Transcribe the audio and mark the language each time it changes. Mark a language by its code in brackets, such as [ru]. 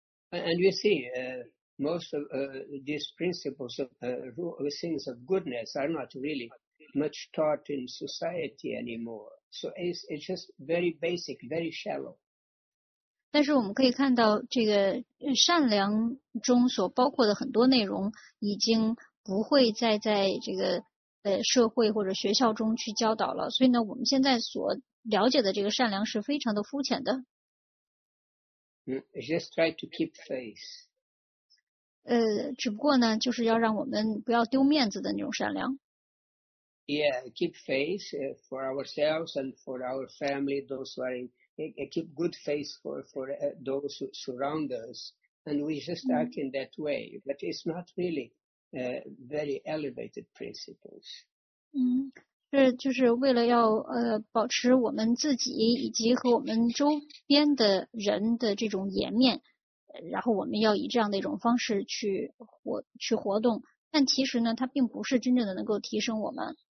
[en] And you see, most of these principles of things of goodness are not really much taught in society anymore. So it's just very basic, very shallow. [zh] 但是我们可以看到，这个善良中所包括的很多内容，已经不会再在这个社会或者学校中去教导了。所以呢，我们现在所了解的这个善良是非常的肤浅的。 [en] Just try to keep face. [zh] 只不过呢，就是要让我们不要丢面子的那种善良。 [en] Yeah, keep face for ourselves and for our family. Those who are keep good face for those who surround us And we just act in that way, but it's not really very elevated principles. [zh] 就是为了要保持我们自己以及和我们周边的人的这种颜面，然后我们要以这样的一种方式去活动。但其实呢，它并不是真正的能够提升我们。